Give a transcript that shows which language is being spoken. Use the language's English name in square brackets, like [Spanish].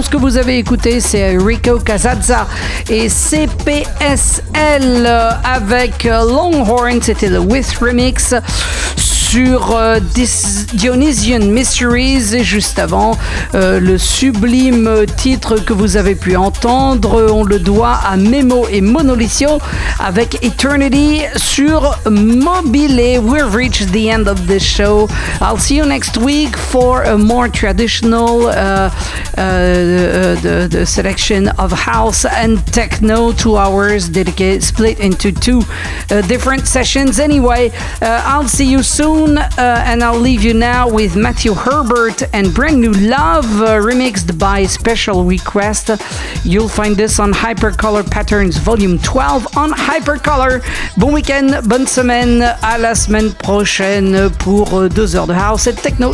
[French] Ce que vous avez écouté, c'est Rico Casazza et CPSL avec Longhorn, c'était le With Remix sur Dionysian Mysteries, et juste avant le sublime titre que vous avez pu entendre, on le doit à M.E.M.O et Monolicio avec Eternity sur Mobile. [English] We've reached the end of this show. I'll see you next week for a more traditional the selection of house and techno, 2 hours dedicated, split into two different sessions. Anyway, I'll see you soon. And I'll leave you now with Matthew Herbert and Brand New Love, remixed by Special Request. You'll find this on Hypercolor Patterns Volume 12 on Hypercolor. [French] Bon week-end, bonne semaine, à la semaine prochaine pour 2 heures de house et techno.